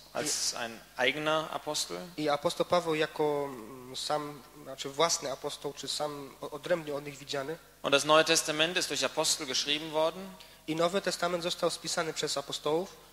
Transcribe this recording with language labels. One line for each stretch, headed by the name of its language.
German: Als ein eigener Apostel.
Polish: I apostoł Paweł jako sam, znaczy własny apostoł, czy sam odrębnie od nich widziany.
German: Und das Neue Testament ist durch Apostel geschrieben worden.
Polish: I Nowy Testament został spisany przez apostołów.